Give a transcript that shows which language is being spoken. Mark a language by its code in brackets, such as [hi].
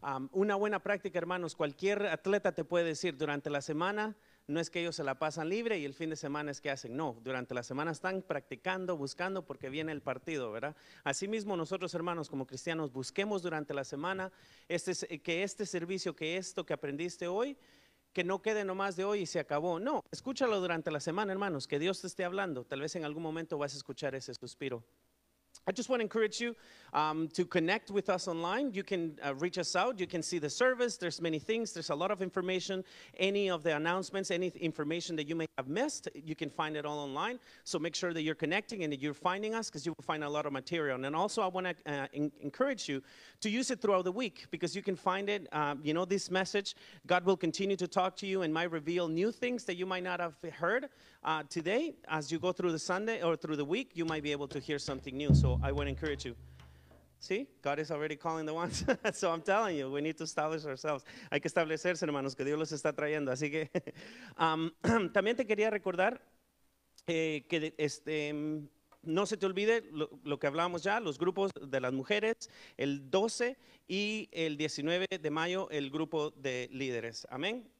[es] Una buena práctica, hermanos, cualquier atleta te puede decir durante la semana, no es que ellos se la pasan libre y el fin de semana es que hacen, no, durante la semana están practicando, buscando porque viene el partido, ¿verdad? Asimismo nosotros hermanos como cristianos busquemos durante la semana que este servicio, que esto que aprendiste hoy, que no quede nomás de hoy y se acabó. No, escúchalo durante la semana hermanos, que Dios te esté hablando, tal vez en algún momento vas a escuchar ese suspiro. [en] I just want to encourage you to connect with us online. You can reach us out. You can see the service. There's many things. There's a lot of information. Any of the announcements, any information that you may have missed, you can find it all online. So make sure that you're connecting and that you're finding us because you will find a lot of material. And also I want to encourage you to use it throughout the week because you can find it, you know, this message. God will continue to talk to you and might reveal new things that you might not have heard today. As you go through the Sunday or through the week, you might be able to hear something new. So I would encourage you. See, God is already calling the ones. So I'm telling you, we need to establish ourselves. [es] Hay que establecerse, hermanos, que Dios los está trayendo. Así que también te quería recordar que no se te olvide lo que hablábamos ya, los grupos de las mujeres, el 12 y el 19 de mayo, el grupo de líderes. Amén.